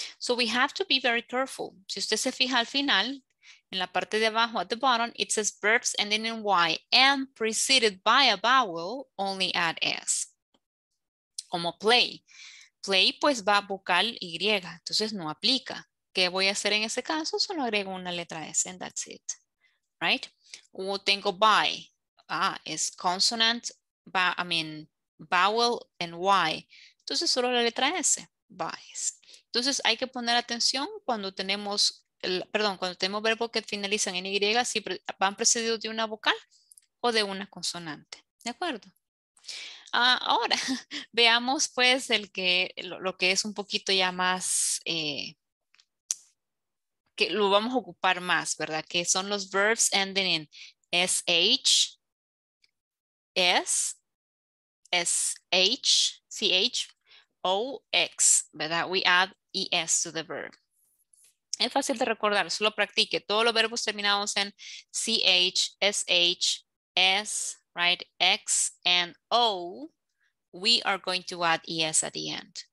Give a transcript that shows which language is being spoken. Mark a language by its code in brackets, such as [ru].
[en] So we have to be very careful. [es] Si usted se fija al final, en la parte de abajo, [en] at the bottom, it says verbs ending in Y and preceded by a vowel, only add S. Como play. [es] Play, pues va vocal Y, entonces no aplica. ¿Qué voy a hacer en ese caso? Solo agrego una letra S [en] and that's it, right? [es] O tengo by, es [en] consonant, vowel and Y. [es] Entonces solo la letra S, buys. Entonces hay que poner atención cuando tenemos, cuando tenemos verbos que finalizan en Y, si van precedidos de una vocal o de una consonante, ¿de acuerdo? Ahora, veamos pues lo que es un poquito ya más, que lo vamos a ocupar más, ¿verdad? Que son los [en] verbs ending in sh, s, sh, ch, O-X, ¿verdad? We add ES to the verb. [es] Es fácil de recordar, solo practique. Todos los verbos terminados en CH, SH, S, right? [en] X and O, we are going to add ES at the end.